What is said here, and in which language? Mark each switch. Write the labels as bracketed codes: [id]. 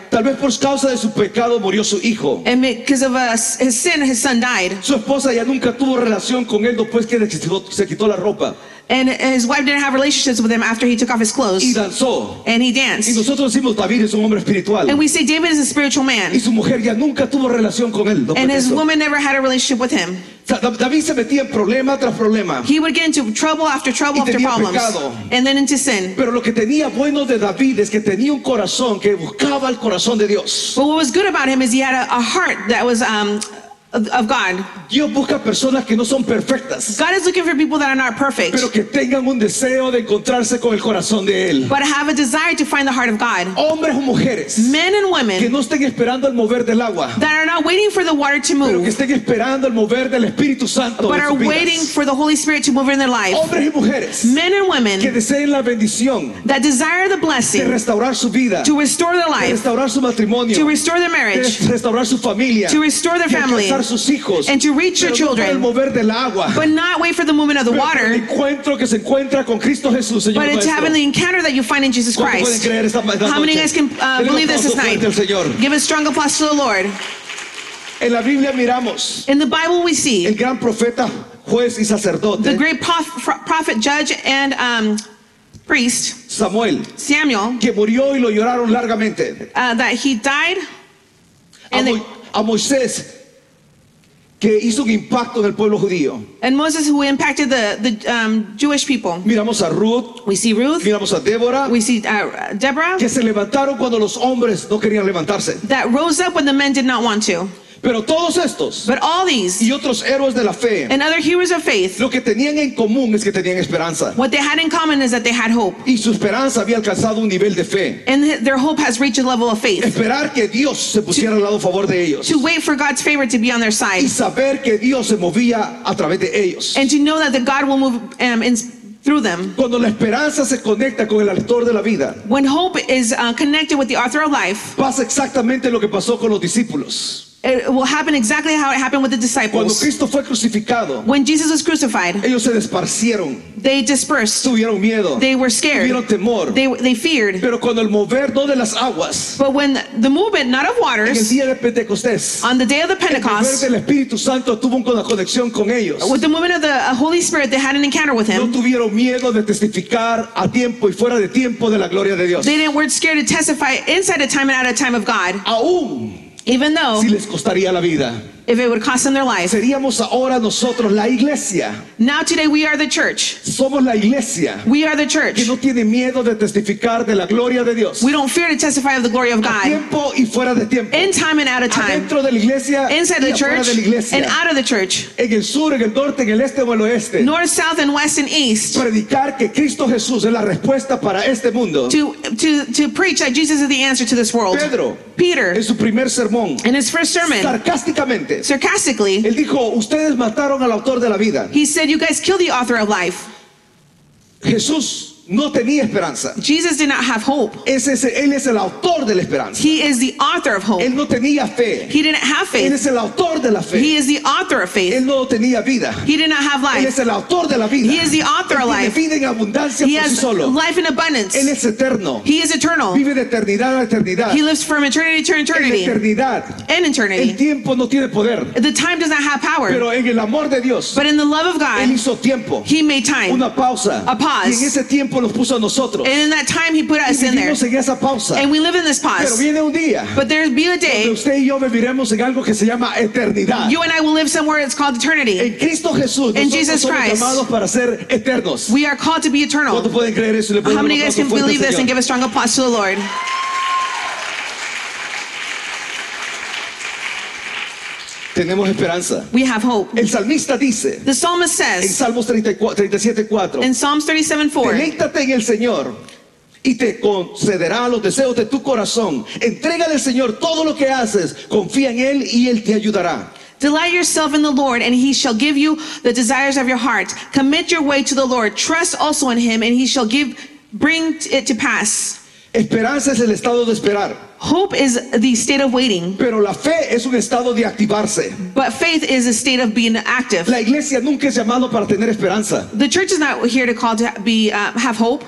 [es] tal vez por causa de su pecado murió su hijo, [en] and because of his sin his son died, [es] su esposa ya nunca tuvo relación con él después que se quitó la ropa. [en] And his wife didn't have relationships with him after he took off his clothes. [es] Y danzó. [en] And he danced. [es] Y nosotros decimos, David es un hombre espiritual. [en] And we say David is a spiritual man. [es] Y su mujer ya nunca tuvo relación con él. [en] And his woman never had a relationship with him. [es] David se metía en problema tras problema. [en] He would get into trouble after trouble [es] y tenía [en] after problems. [es] Pecado. [en] And then into sin. [es] Pero lo que tenía bueno de David es que tenía un corazón que buscaba el corazón de Dios. [en] But what was good about him is he had a heart that was of God. [es] Dios busca personas que no son perfectas. [en] God is looking for people that are not perfect. [es] Pero que tengan un deseo de encontrarse con el corazón de él. [en] But have a desire to find the heart of God. [es] Hombres o mujeres. [en] Men and women. [es] Que no estén esperando el mover del agua. [en] That are not waiting for the water to move. [es] Pero que estén esperando el mover del Espíritu Santo. [en] But are waiting for the Holy Spirit to move in their life. [es] Hombres y mujeres. [en] Men and women. [es] Que deseen la bendición. [en] That desire the blessing. [es] De restaurar su vida. [en] To restore their life. [es] De restaurar su matrimonio. [en] To restore their marriage. [es] De restaurar su familia. [en] To restore their family. [es] Sus hijos, [en] and to reach your children, [es] no mover del agua, [en] but not wait for the movement of the water, [es] el encuentro que se encuentra con Cristo Jesús, Señor, [en] but [es] nuestro. [en] It's having the encounter that you find in Jesus Christ. [es] Creer esta [en] how [es] noche? [en] Many guys can believe this tonight? [es] Señor. [en] Give a strong applause to the Lord. [es] En la Biblia miramos. [en] In the Bible we see. [es] El gran profeta, juez y sacerdote. [en] The great prophet, judge and priest. [es] Samuel. [en] Samuel. [es] Que murió y lo lloraron largamente. [en] That he died. [es] And a Moisés, que hizo un impacto en el pueblo judío. [en] And Moses, who impacted the Jewish people. [es] Miramos a Ruth. [en] We see Ruth. [es] Miramos a Débora. [en] We see Deborah. [es] Que se levantaron cuando los hombres no querían levantarse. [en] That rose up when the men did not want to. [es] Pero todos estos, [en] but all these, [es] y otros héroes de la fe, [en] and other heroes of faith, [es] lo que tenían en común es que tenían esperanza. [en] What they had in common is that they had hope. [es] Y su esperanza había alcanzado un nivel de fe. [en] And their hope has reached a level of faith. [es] Esperar que Dios se pusiera al lado a favor de ellos. [en] To wait for God's favor to be on their side. [es] Y saber que Dios se movía a través de ellos. [en] And to know that the God will move in through them. [es] Cuando la esperanza se conecta con el autor de la vida, [en] when hope is connected with the author of life, [es] pasa exactamente lo que pasó con los discípulos. [en] It will happen exactly how it happened with the disciples. [es] Cuando Cristo fue crucificado, [en] when Jesus was crucified, [es] ellos se desparcieron. [en] They dispersed. [es] Tuvieron miedo. [en] They were scared. [es] Tuvieron temor. [en] They feared. [es] Pero cuando el mover no de las aguas, [en] but when the movement, not of waters, [es] en el día de Pentecostés, [en] on the day of the Pentecost, [es] el mover del Espíritu Santo tuvo una conexión con ellos. [en] With the movement of the Holy Spirit, they had an encounter with him. [es] No tuvieron miedo de testificar a tiempo y fuera de tiempo de la gloria de Dios. [en] They didn't, weren't scared to testify inside of time and out of time of God. [es] Aún. [en] Even though, [es] si les costaría la vida, [en] if it would cost them their life, [es] seríamos ahora nosotros la iglesia. [en] Now today we are the church. [es] Somos la iglesia. [en] We are the church. [es] Que no tiene miedo de testificar de la gloria de Dios. [en] We don't fear to testify of the glory of God. [es] A tiempo y fuera de tiempo. [en] In time and out of time. [es] Adentro de la iglesia. [en] Inside the church. [es] Fuera de la iglesia. [en] And out of the church. [es] En el sur, en el norte, en el este o el oeste. [en] North, south, and west and east. [es] Predicar que Cristo Jesús es la respuesta para este mundo. [en] To preach that Jesus is the answer to this world. [es] Pedro. [en] Peter. [es] En su primer sermón. [en] In his first sermon. [es] Sarcásticamente. [en] Sarcastically, [es] él dijo, ustedes mataron al autor de la vida. [en] He said, you guys killed the author of life. [es] Jesús no tenía esperanza. [en] Jesus did not have hope. [es] Él es el autor de la esperanza. [en] He is the author of hope. [es] Él no tenía fe. [en] He didn't have faith. [es] Él es el autor de la fe. [en] He is the author of faith. [es] Él no tenía vida. [en] He did not have life. [es] Él es el autor de la vida. [en] He is the author [es] él [en] of life. [es] Vida en abundancia [en] he [es] por [en] has [es] sí solo. [en] Life in abundance. [es] Él es eterno. [en] He is eternal. [es] Vive de eternidad a eternidad. [en] He lives from eternity to eternity. [es] En eternidad. [en] In eternity. [es] El tiempo no tiene poder. [en] The time does not have power. [es] Pero en el amor de Dios, [en] but in the love of God, [es] él hizo tiempo. [en] He made time. [es] Una pausa. [en] A pause. [es] Y en ese tiempo los puso a nosotros. [en] And in that time he put us in there. [es] En esa pausa. [en] And we live in this pause. [es] Pero viene un día. [en] But there be a day. [es] Donde usted y yo viviremos en algo que se llama eternidad. [en] You and I will live somewhere it's called eternity. [es] En Cristo Jesús. [en] In Jesus Christ. [es] Somos llamados para ser eternos. [en] We are called to be eternal. [es] ¿Cuánto pueden creer eso? Le [en] how many of you guys can believe this and give a strong applause to the Lord? [es] Tenemos esperanza. [en] We have hope. [es] El salmista dice. [en] The psalmist says. [es] En Salmos 37:4. [en] In Psalms 37:4. [es] Deleítate en el Señor y te concederá los deseos de tu corazón. Entrégale al Señor todo lo que haces. Confía en él y él te ayudará. [en] Delight yourself in the Lord and he shall give you the desires of your heart. Commit your way to the Lord. Trust also in him and he shall bring it to pass. [es] Esperanza es el estado de esperar. [en] Hope is the state of waiting. [es] Pero la fe es un estado de activarse. [en] But faith is a state of being active. [es] La iglesia nunca es llamado para tener esperanza. [en] The church is not here to call to be have hope.